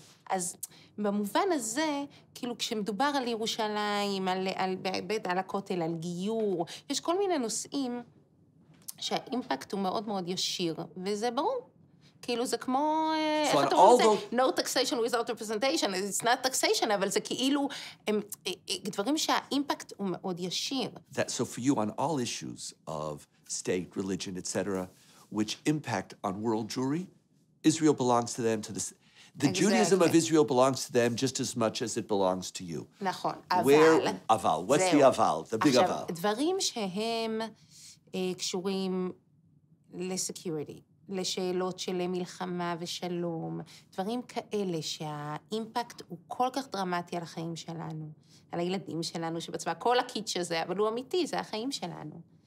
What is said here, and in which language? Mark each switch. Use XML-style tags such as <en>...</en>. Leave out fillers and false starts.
<he>אז במובן הזה, כאילו כשמדובר על ירושלים, על הכותל, על גיור, יש כל מיני נושאים שהאימפקט הוא מאוד מאוד ישיר, וזה ברור. כאילו זה כמו, איך אתה רואה את זה?</he> <en>No taxation without representation, it's not taxation,</en> <he>אבל זה כאילו, הם דברים שהאימפקט הוא מאוד ישיר.</he> <en>So for you, on all issues of state, religion, etc., which impact on world Jewry, Israel belongs to them, to the... The exactly. Judaism of Israel belongs to them just as much as it belongs to you.</en> <he>נכון,</he> <en>Where,</en> <he>אבל...</he> <en>אבל, what's the אבל, the big</en> <he>עכשיו, אבל? עכשיו, דברים שהם קשורים לסקיוריטי, לשאלות של מלחמה ושלום, דברים כאלה שהאימפקט הוא כל כך דרמטי על החיים שלנו, על הילדים שלנו שבצבא, כל הקיץ' הזה, אבל הוא אמיתי, זה החיים שלנו.</he>